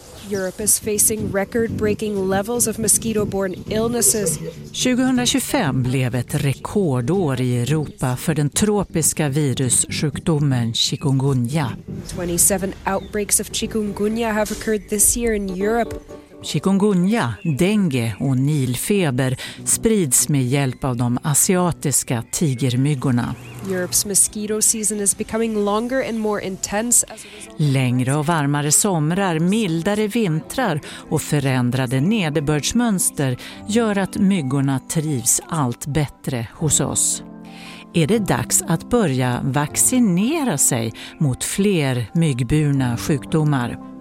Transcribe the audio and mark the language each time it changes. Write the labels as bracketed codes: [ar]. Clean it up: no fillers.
[en] Europe is facing record-breaking levels of mosquito-borne illnesses. [sv] 2025 blev ett rekordår i Europa för den tropiska virussjukdomen chikungunya. [en] 27 outbreaks of chikungunya have occurred this year in Europe. [sv] Chikungunya, dengue och nilfeber sprids med hjälp av de asiatiska tigermyggorna. [en] Europe's mosquito season is becoming longer and more intense. [sv] Längre och varmare somrar, mildare vintrar och förändrade nederbördsmönster gör att myggorna trivs allt bättre hos oss. Är det dags att börja vaccinera sig mot fler myggburna sjukdomar?